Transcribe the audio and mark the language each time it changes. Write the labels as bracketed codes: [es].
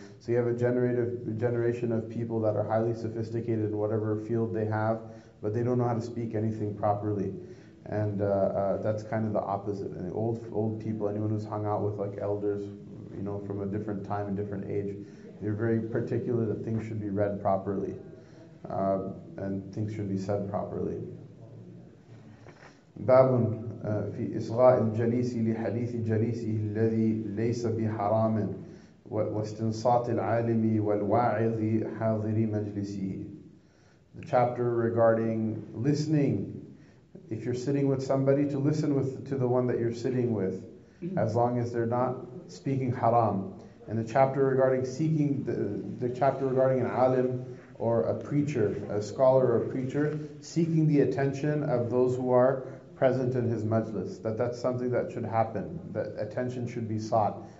[en] So you have a generation of people that are highly sophisticated in whatever field they have, but they don't know how to speak anything properly. And that's kind of the opposite. And old people, anyone who's hung out with like elders, you know, from a different time and different age, they're very particular that things should be read properly and things should be said properly. [ar] باب في إصغاء الجليس لحديث جليسه الذي ليس بحرام واستنصات العالم والواعظ حاضر مجلسه. [en] The chapter regarding listening. If you're sitting with somebody, to listen with to the one that you're sitting with, as long as they're not speaking haram. And the chapter regarding seeking, the chapter regarding an alim, or a preacher, a scholar or a preacher, seeking the attention of those who are present in his majlis, that's something that should happen, that attention should be sought.